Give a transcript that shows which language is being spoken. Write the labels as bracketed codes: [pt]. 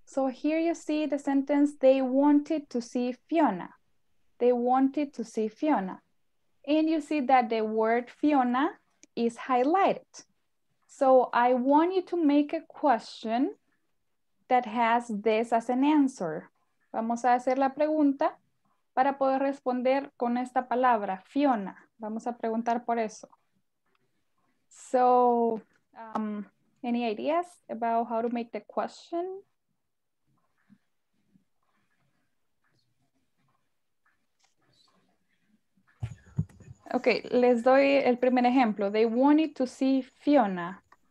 [en] So here you see the sentence, they wanted to see Fiona. They wanted to see Fiona. And you see that the word Fiona is highlighted. So I want you to make a question that has this as an answer. [es] Vamos a hacer la pregunta para poder responder con esta palabra, Fiona. Vamos a preguntar por eso. [en] So, any ideas about how to make the question? [es] Okay, les doy el primer ejemplo. [en] They wanted to see Fiona.